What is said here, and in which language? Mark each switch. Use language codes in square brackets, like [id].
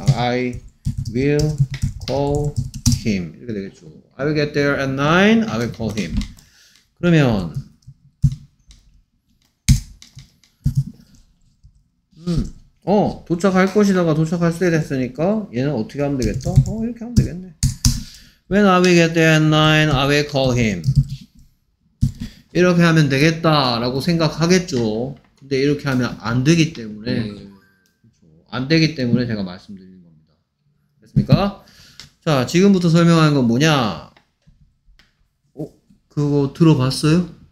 [en] I will call him [ko] 이렇게 되겠죠. [en] I will get there at 9. I will call him. [ko] 그러면 도착할 것이다가 도착할 때 됐으니까 얘는 어떻게 하면 되겠다? 이렇게 하면 되겠네. [en] When I will get there at 9, I will call him. [ko] 이렇게 하면 되겠다라고 생각하겠죠. 근데 이렇게 하면 안 되기 때문에 안 되기 때문에 제가 말씀드리는 겁니다. 됐습니까? 자, 지금부터 설명하는 건 뭐냐? 그거 들어봤어요?